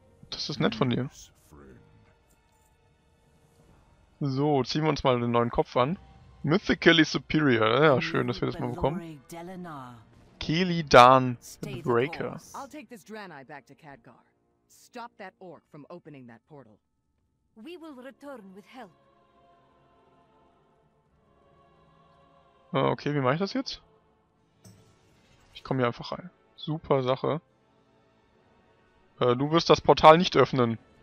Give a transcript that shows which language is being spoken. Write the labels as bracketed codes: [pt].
[de] Das ist nett von dir. So, ziehen wir uns mal den neuen Kopf an. Mythically Superior. Ja, schön, dass wir das mal bekommen. Keli Dan, The Breaker. [en] I'll take this Draenei back to Khadgar. Stop that orc from opening that portal. We will return with help. [de] Okay, wie mache ich das jetzt? Ich komme hier einfach rein. Super Sache. Du wirst das Portal nicht öffnen.